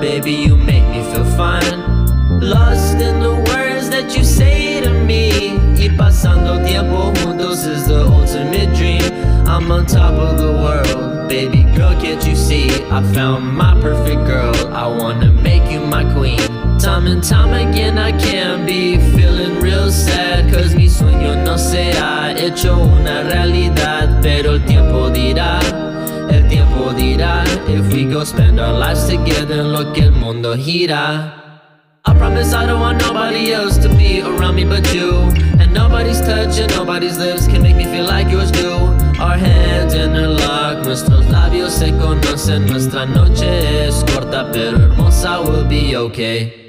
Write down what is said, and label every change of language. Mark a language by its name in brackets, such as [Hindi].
[English] Baby, you make me feel fine. Lost in the words that you say to me. [Spanish] Y pasando tiempo juntos [English] is the ultimate dream. I'm on top of the world. Baby girl, can't you see? I found my perfect girl. I wanna make you my queen. Time and time again, I can be feeling real sad. Cause [Spanish] mi sueño no se ha hecho una realidad. Pero el tiempo dirá, el tiempo dirá. [English] If we go spend our lives together, [Spanish] lo que el mundo gira. [English] I promise I don't want nobody else to be around me but you. And nobody's touch and nobody's lips can make me feel like yours do. Our hands interlock, [Spanish] nuestros labios se conocen. Nuestra noche es corta, pero hermosa, [English] we'll be okay.